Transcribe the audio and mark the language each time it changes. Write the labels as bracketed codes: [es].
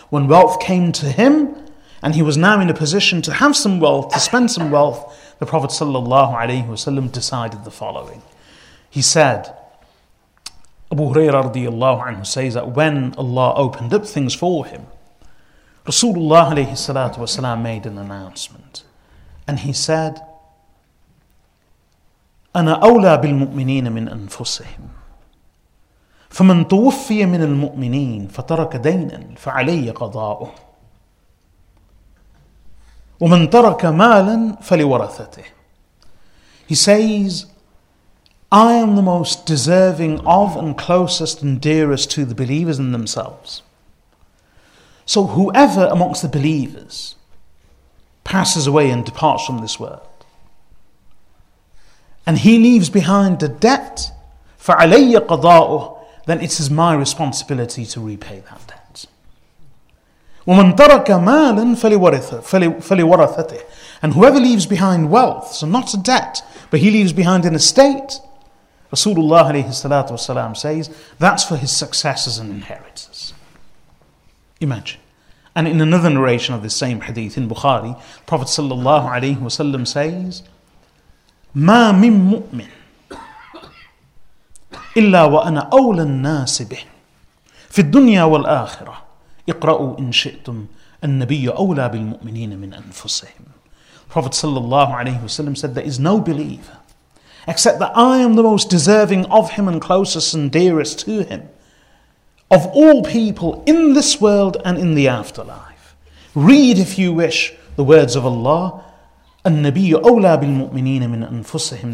[en] When wealth came to him and he was now in a position to have some wealth, to spend some wealth, the Prophet sallallahu alaihi wasallam decided the following. He said, Abu Hurairah radiyallahu anhu says that when Allah opened up things for him, Rasulullah alayhi salatu wasalam made an announcement. And he said, [ar] أَنَا أَوْلَى بِالْمُؤْمِنِينَ مِنْ أَنفُسِهِمْ فَمَنْ تُوفِّيَ مِنَ الْمُؤْمِنِينَ فَتَرَكَ دَيْنًا فَعَلَيَّ قَضَاءُهُ وَمَنْ تَرَكَ مَالًا فَلِوَرَثَتِهِ. [en] He says, I am the most deserving of and closest and dearest to the believers in themselves. So whoever amongst the believers passes away and departs from this world, and he leaves behind a debt, [ar] فَعَلَيَّ قَضَاءُهُ, [en] then it is my responsibility to repay that debt. [ar] وَمَنْ تَرَكَ مَالًا فَلِوَرَثَتِهِ. [en] And whoever leaves behind wealth, so not a debt, but he leaves behind an estate, Rasulullah alayhi salatu wasalam says, that's for his successors and inheritors. Imagine. And in another narration of this same hadith in Bukhari, Prophet sallallahu alayhi wasallam says, [ar] مَا مِن مُؤْمِنٍ إلا وأنا أولى الناس به في الدنيا والآخرة اقرأوا إن شئتم النبي أولى بالمؤمنين من أنفسهم. [en] Prophet sallallahu alaihi wasallam said, there is no believer except that I am the most deserving of him and closest and dearest to him of all people in this world and in the afterlife. Read if you wish the words of Allah, [ar] النبي أولى بالمؤمنين من أنفسهم.